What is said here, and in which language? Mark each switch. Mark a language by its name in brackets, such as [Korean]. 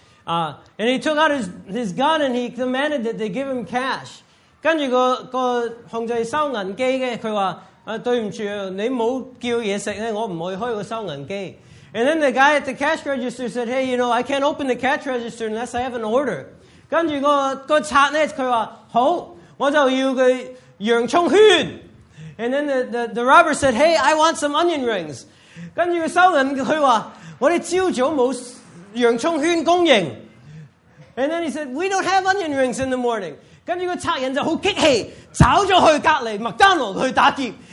[English] And he took out his gun and he commanded that they give him cash. [Cantonese] 跟住個控制收銀機嘅，佢話：對唔住，你冇叫嘢食咧，我唔可以開個收銀機。 [English] And then the guy at the cash register said, "Hey, you know, I can't open the cash register unless I have an order." [Cantonese] 跟住個賊咧，佢話：好，我就要個洋葱圈。 [English] And then the robber said, "Hey, I want some onion rings." [Cantonese] 跟住收銀佢話：我哋朝早冇洋葱圈供應。 [English] And then he said, "We don't have onion rings in the morning." [Cantonese] 跟住個賊人就好激氣，走咗去隔離麥當勞去打劫。